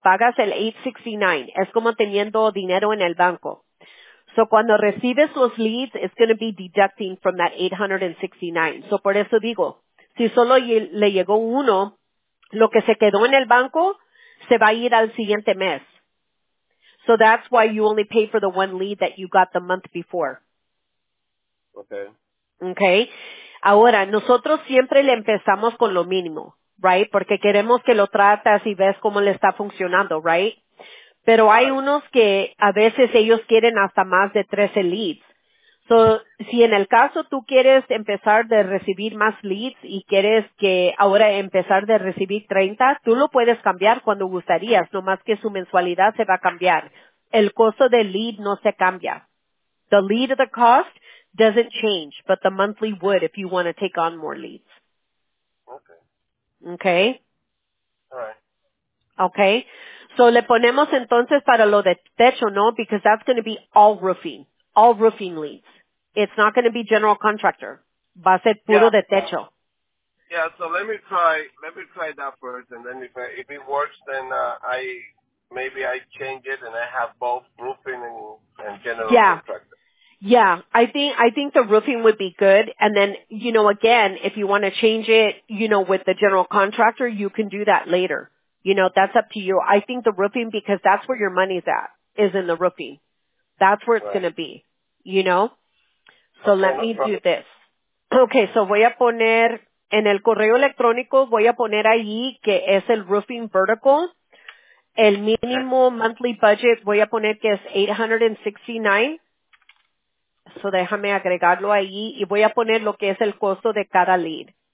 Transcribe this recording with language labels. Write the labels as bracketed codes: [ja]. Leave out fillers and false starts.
[es] Pagas el 869. Es como teniendo dinero en el banco. [en] So [es] cuando recibes los leads, [en] it's going to be deducting from that 869. [es] So por eso digo, si solo le llegó uno, lo que se quedó en el banco se va a ir al siguiente mes. [en] So that's why you only pay for the one lead that you got the month before. Okay. [es] Ahora, nosotros siempre le empezamos con lo mínimo, right? Porque queremos que lo tratas y ves cómo le está funcionando, right? Pero hay unos que a veces ellos quieren hasta más de 13 leads. So, si en el caso tú quieres empezar de recibir más leads y quieres que ahora empezar de recibir 30, tú lo puedes cambiar cuando gustarías, no más que su mensualidad se va a cambiar. El costo del lead no se cambia. [en] The lead of the cost doesn't change, but the monthly would if you want to take on more leads. Okay. All right. Okay. [es] So, le ponemos entonces para lo de techo, ¿no? [en] Because that's going to be all roofing leads. It's not going to be general contractor. [es] Va a ser puro de techo. [en] Yeah, so let me try that first, and then if it works, then I change it and I have both roofing and general contractor. Yeah, I think the roofing would be good. And then, you know, again, if you want to change it, you know, with the general contractor, you can do that later. You know, that's up to you. I think the roofing, because that's where your money's at, is in the roofing. That's where it's going to be. You know? So okay, let me do this. [es] Okay, so voy a poner, en el correo electrónico, voy a poner ahí que es el roofing vertical. El mínimo [en] monthly budget, [es] voy a poner que es $869. So déjame agregarlo ahí. Y voy a poner lo que es el costo de cada lead.